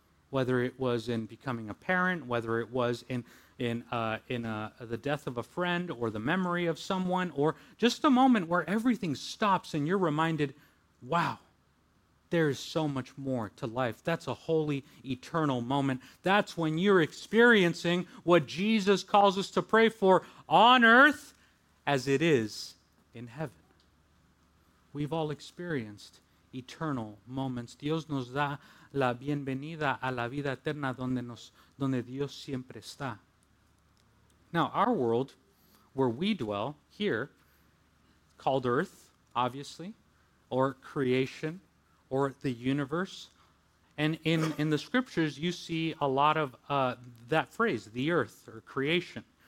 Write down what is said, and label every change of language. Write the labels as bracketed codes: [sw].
[en] Whether it was in becoming a parent, whether it was the death of a friend or the memory of someone, or just a moment where everything stops and you're reminded, wow, there is so much more to life. That's a holy, eternal moment. That's when you're experiencing what Jesus calls us to pray for on earth as it is in heaven. We've all experienced eternal moments. [es] Dios nos da la bienvenida a la vida eterna donde, donde Dios siempre está. [en] Now, our world, where we dwell here, called Earth, obviously, or creation, or the universe. And in the scriptures, you see a lot of that phrase, the earth or creation.